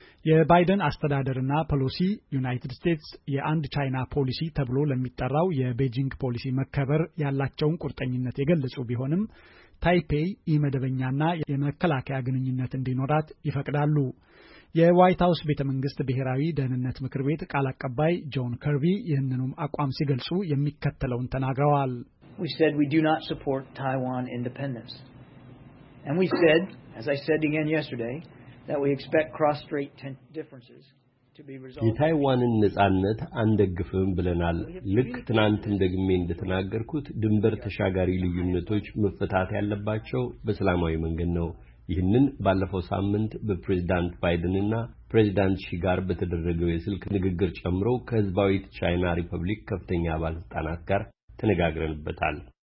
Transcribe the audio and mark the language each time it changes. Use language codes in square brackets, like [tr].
[am] የባይደን አስተዳደርና ፖሊሲ ዩናይትድ ስቴትስ የአንድ ቻይና ፖሊሲ ተብሎ ለሚጠራው የቤጂንግ ፖሊሲ መከበር ያላቸውን ቁርጠኝነት የገለጹ ቢሆንም ታይፔይ ኢመደበኛና የመከላከያ ግንኙነት እንዲኖራት ይፈቅዳሉ። የዋይት ሃውስ ቤተ መንግስት ብሔራዊ ደህንነት ምክር ቤት ቃል አቀባይ ጆን ከርቪ ይህንኑም አቋም ሲገልጹ የሚከተለውን ተናግረዋል። [en] We said we do not support Taiwan independence. And we said, as I said again yesterday, that we expect cross-strait differences to be resolved. [am] የታይዋንን ንጻነት አንደግፍም ብለናል። ልክ ትናንት እንደግሜ እንደተናገርኩት ድንበር ተሻጋሪ ልዩነቶች መፈታት ያለባቸው በሰላማዊ መንገድ ነው። ይህንን ባለፈው ሳምንት በፕሬዝዳንት ባይደንና ፕሬዝዳንት ሺ ጋር በተደረገው የስልክ ንግግር ጨምሮ ከህዝባዊት ቻይና ሪፐብሊክ ከፍተኛ ባለስልጣናት ጋር ተነጋግረንበታል።